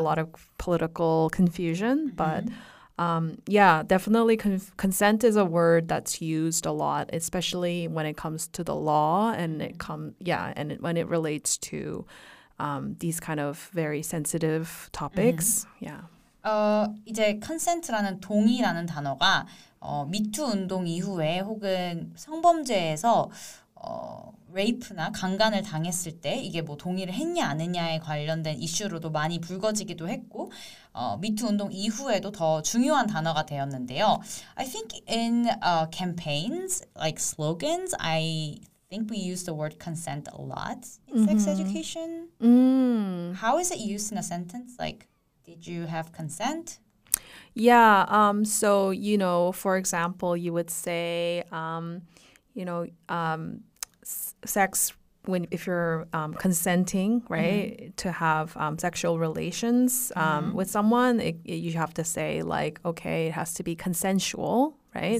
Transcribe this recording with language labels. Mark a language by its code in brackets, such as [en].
[en] a lot of political confusion, but... yeah, definitely consent is a word that's used a lot, especially when it comes to the law and it when it relates to these kind of very sensitive topics. Mm-hmm. Yeah. [ko] 이제 consent라는 동의라는 단어가 미투 운동 이후에 혹은 성범죄에서 rape나 강간을 당했을 때 이게 뭐 동의를 했냐 아느냐에 관련된 이슈로도 많이 불거지기도 했고 미투 운동 이후에도 더 중요한 단어가 되었는데요. [en] I think in campaigns, like slogans, I think we use the word consent a lot in sex education. How is it used in a sentence? Like, did you have consent? Yeah, so, you know, for example, you would say, you know, sex, when if you're consenting, right, to have sexual relations with someone, you have to say, like, okay, it has to be consensual, right?